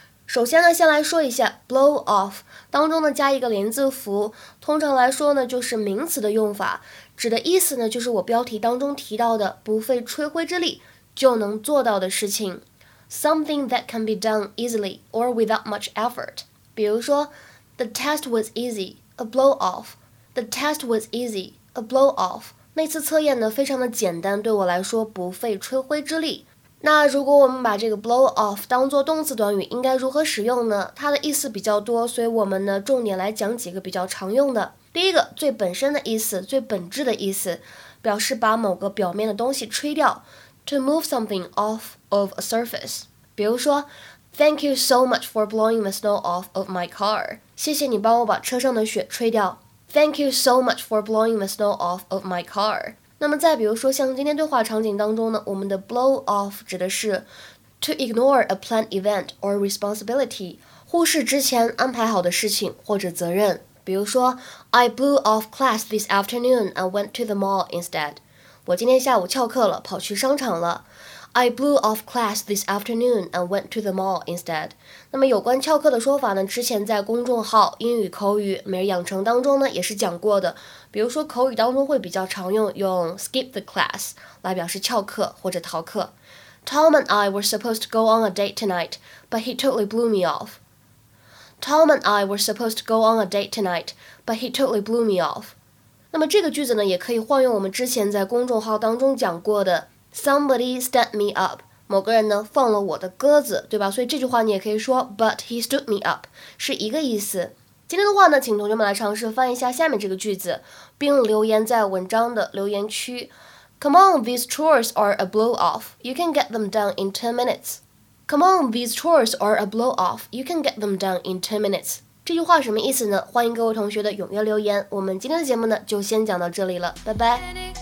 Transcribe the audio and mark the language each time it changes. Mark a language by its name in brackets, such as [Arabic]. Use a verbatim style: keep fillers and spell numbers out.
[Chinese] 首先呢，先来说一下 blow off 当中呢加一个连字符，通常来说呢就是名词的用法，指的意思呢就是我标题当中提到的不费吹灰之力就能做到的事情 ， [English] something that can be done easily or without much effort。 [Chinese] 比如说 [English] ，the test was easy, a blow off. The test was easy, a blow off. [Chinese] 那次测验呢非常的简单，对我来说不费吹灰之力。那如果我们把这个 blow off 当做动词短语，应该如何使用呢？它的意思比较多，所以我们呢重点来讲几个比较常用的。第一个，最本身的意思，最本质的意思，表示把某个表面的东西吹掉 ， [English] to move something off of a surface。 [Chinese] 比如说 [English] ，Thank you so much for blowing the snow off of my car。 [Chinese] 谢谢你帮我把车上的雪吹掉。 [English] Thank you so much for blowing the snow off of my car. [Chinese] 那么再比如说像今天对话场景当中呢，我们的 blow off 指的是 [English] to ignore a planned event or responsibility, [Chinese] 忽视之前安排好的事情或者责任。比如说 [English] I blew off class this afternoon and went to the mall instead. [Chinese] 我今天下午翘课了，跑去商场了。 [English] I blew off class this afternoon and went to the mall instead. [Chinese] 那么有关翘课的说法呢，之前在公众号英语口语每日养成当中呢也是讲过的。比如说口语当中会比较常用用 skip the class 来表示翘课或者逃课。 [English] Tom and I were supposed to go on a date tonight, but he totally blew me off. Tom and I were supposed to go on a date tonight, but he totally blew me off. [Chinese] 那么这个句子呢也可以换用我们之前在公众号当中讲过的 [English] Somebody stood me up. [Chinese] 某个人呢放了我的鸽子，对吧？所以这句话你也可以说 [English] But he stood me up [Chinese] 是一个意思。今天的话呢，请同学们来尝试翻译一下下面这个句子，并留言在文章的留言区。 [English] Come on, these chores are a blow off. You can get them done in ten minutes. Come on, these chores are a blow off. You can get them done in ten minutes. [Chinese] 这句话什么意思呢？欢迎各位同学的踊跃留言。我们今天的节目呢就先讲到这里了，拜拜。